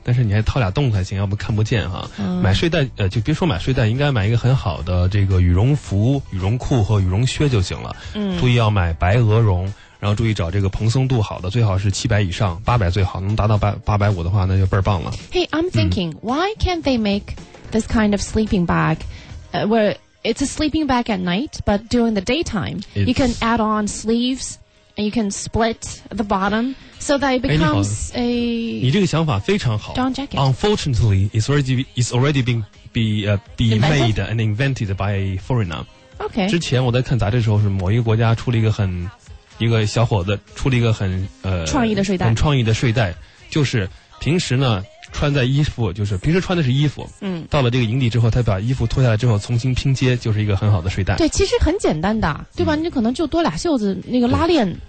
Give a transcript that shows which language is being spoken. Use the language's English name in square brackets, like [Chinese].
[Chinese] 但是你还套俩洞才行，要不看不见哈。嗯。买睡袋就别说买睡袋，应该买一个很好的这个羽绒服、羽绒裤和羽绒靴就行了。嗯。注意要买白鹅绒。然后注意找这个蓬松度好的，最好是700以上，800最好，能达到850的话，那就倍儿棒了。 [English] Hey, I'm thinking, why can't they make this kind of sleeping bag, where it's a sleeping bag at night, but during the daytime, you can add on sleeves, and you can split the bottom, so that it becomes a... [Chinese] 你这个想法非常好。 [English] Down jacket. Unfortunately, it's already been made and invented by a foreigner. Okay. [Chinese] 之前我在看杂志的时候，是某一个国家出了一个很一个小伙子出了一个很创意的睡袋，很创意的睡袋，就是平时呢穿在衣服，就是平时穿的是衣服，嗯，到了这个营地之后，他把衣服脱下来之后重新拼接，就是一个很好的睡袋。对，其实很简单的，对吧？你可能就多俩袖子，那个拉链。